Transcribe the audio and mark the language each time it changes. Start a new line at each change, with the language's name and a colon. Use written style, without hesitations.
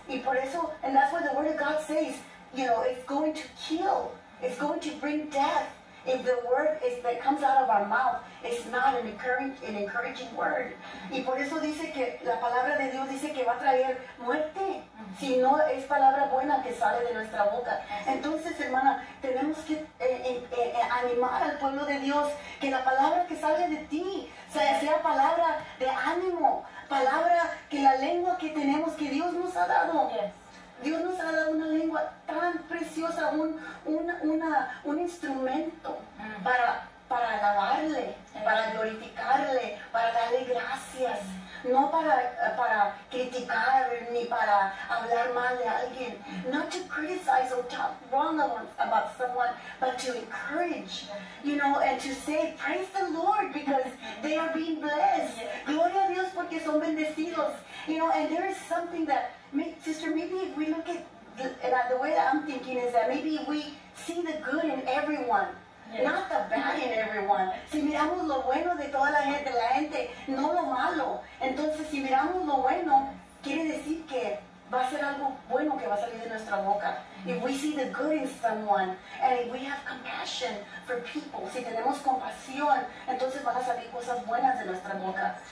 Spanish: Y por eso,
English: and that's why the word of God says, you know, it's going to kill. It's going to bring death. If the word is, that comes out of our mouth, it's not an encouraging word.
Spanish: Y por eso dice que la palabra de Dios dice que va a traer muerte. Si no es palabra buena que sale de nuestra boca. Entonces, hermana, tenemos que animar al pueblo de Dios que la palabra que sale de ti sea palabra de ánimo, palabra que la lengua que tenemos, que Dios nos ha dado. Dios nos ha dado una lengua tan preciosa, un instrumento para alabarle, para glorificarle, para darle gracias. No para criticar ni para hablar mal de alguien.
English: Not to criticize or talk wrong about someone, but to encourage, you know, and to say, praise the Lord, because they are being blessed.
Spanish: Gloria a Dios porque son bendecidos.
English: You know, and there is something that, sister, maybe if we look at, the way that I'm thinking is that maybe we see the good in everyone. Yes. Not the bad in everyone.
Spanish: Si miramos lo bueno de toda la gente, no lo malo. Entonces, si miramos lo bueno, quiere decir que va a ser algo bueno que va a salir de nuestra boca.
English: If we see the good in someone, and if we have compassion for people,
Spanish: si tenemos compasión, entonces van a salir cosas buenas de nuestra boca.